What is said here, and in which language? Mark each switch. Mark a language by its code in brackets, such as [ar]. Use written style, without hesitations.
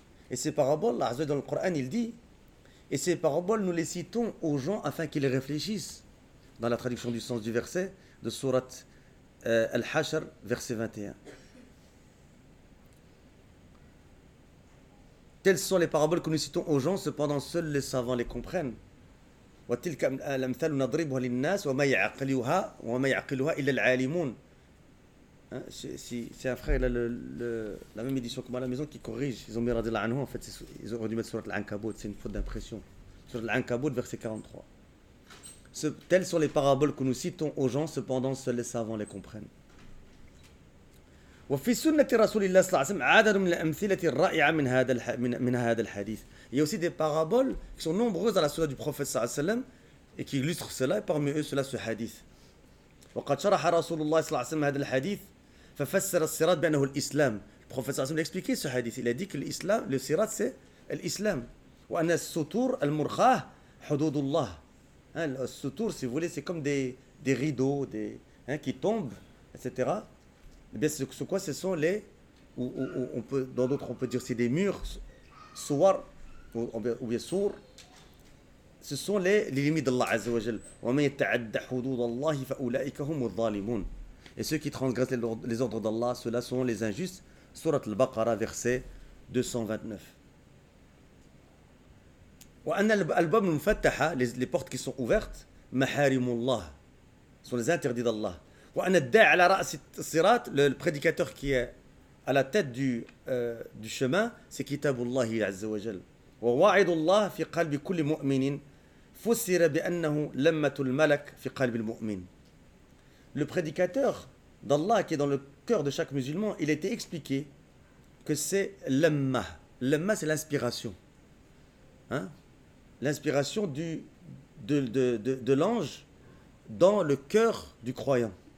[fr] Et ces paraboles, Allah Azza wa Jal dans le Coran, il dit, et ces paraboles, nous les citons aux gens afin qu'ils réfléchissent. Dans la traduction du sens du verset, de Sourate Al-Hashr, verset 21. Telles sont les paraboles que nous citons aux gens, cependant seuls les savants les comprennent. [ar] وتلك الأمثال نضربها للناس وما يعقلها وما يعقلها إلا العالمون. [fr] C'est un frère, il a la même édition que moi à la maison qui corrige. Ils ont mis radiallahu anhu, en fait, ils auraient dû mettre sur l'Ankabout, c'est une faute d'impression. Sur l'Ankabout, verset 43. Telles sont les paraboles que nous citons aux gens, cependant seuls les savants les comprennent. [ar] وفي سنة رسول الله صلى الله عليه وسلم عدد من الأمثلة الرائعة من هذا من هذا الحديث. [fr] Il y a aussi des paraboles qui sont nombreuses à la sunna du prophète [ar] صلى الله عليه وسلم [fr] et qui illustrent cela et parmi eux cela ce hadith. [ar] وقد شرح رسول الله صلى الله عليه وسلم هذا الحديث ففسر الصراط بأنه الإسلام. [fr] Le prophète [ar] صلى الله عليه وسلم [fr] a expliqué ce hadith. Il a dit que l'islam, le sirat c'est l'islam. [ar] وأن السطور المرخاة حدود الله. [fr] Le sutur, si vous voulez, c'est comme des rideaux, qui tombent, etc. Eh bien, ce quoi, ce sont les, ou on peut, dans d'autres on peut dire c'est des murs, souar, ou bien sour, ce sont les limites d'Allah Azza wa Jal. [ar] وَمَنْ يَتَعَدَّ حُدُودَ اللَّهِ فَأُولَٰئِكَ هُمُ الظَّالِمُونَ. [fr] Et ceux qui transgressent les ordres d'Allah, ceux-là sont les injustes. Surat al-Baqarah, verset 229. [ar] وَأَنَّ الْبَابَ الْمُفَتَّحَ, [fr] les portes qui sont ouvertes, [ar] مَحَارِمُ اللَّهِ, [fr] sont les interdits d'Allah. [ar] وأن الداعي على رأس الصراط, [fr] le prédicateur qui est à la tête du chemin, c'est [ar] كتاب الله عز وجل. وواعد الله في قلب كل مؤمن فسر بأنه لمة الملك في قلب المؤمن. [fr] Le prédicateur d'Allah qui est dans le cœur de chaque musulman, il a été expliqué que c'est lamma. Lamma, c'est l'inspiration. L'inspiration de l'ange dans le cœur du croyant.